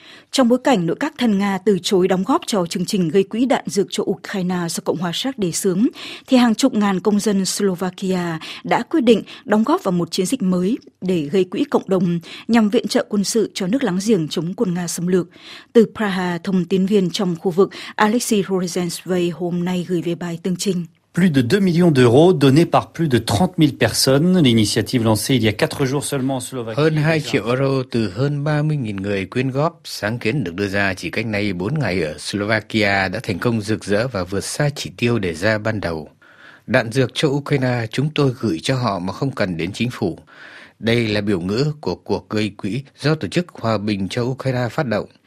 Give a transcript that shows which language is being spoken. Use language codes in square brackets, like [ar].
[vi] Trong bối cảnh nội các thân Nga từ chối đóng góp cho chương trình gây quỹ đạn dược cho Ukraine do Cộng hòa Séc đề xướng, thì hàng chục ngàn công dân Slovakia đã quyết định đóng góp vào một chiến dịch mới để gây quỹ cộng đồng nhằm viện trợ quân sự cho nước láng giềng chống quân Nga xâm lược. Từ Praha, thông tin viên trong khu vực Alexei Rozensvay hôm nay gửi về bài tương trình. [fr] Plus de 2 millions d'euros donnés par plus de 30 000 personnes, l'initiative lancée il y a 4 jours seulement en Slovaquie. [vi] Hơn 2 triệu euro từ hơn 30.000 người quyên góp, sáng kiến được đưa ra chỉ cách nay 4 ngày ở Slovakia đã thành công rực rỡ và vượt xa chỉ tiêu đề ra ban đầu. Đạn dược cho Ukraine chúng tôi gửi cho họ mà không cần đến chính phủ. Đây là biểu ngữ của cuộc gây quỹ do Tổ chức Hòa bình cho Ukraine phát động.